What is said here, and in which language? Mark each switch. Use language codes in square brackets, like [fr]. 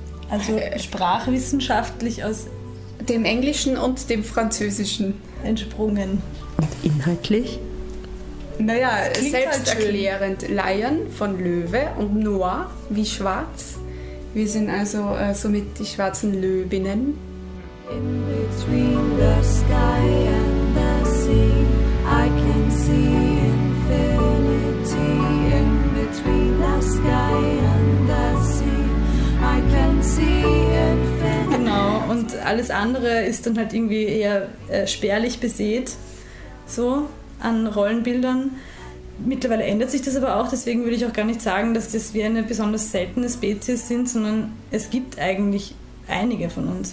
[de] Also sprachwissenschaftlich aus dem Englischen und dem Französischen entsprungen. Und inhaltlich? Naja, selbsterklärend. Halt Lion von Löwe und Noir wie schwarz. Wir sind also somit die schwarzen Löwinnen. [en] In between the sky and the sea, I can see infinity. In between the sky and the sea, I can see infinity. [de] Genau, und alles andere ist dann halt irgendwie eher spärlich besät, so an Rollenbildern. Mittlerweile ändert sich das aber auch, deswegen würde ich auch gar nicht sagen, dass das wir eine besonders seltene Spezies sind, sondern es gibt eigentlich einige von uns.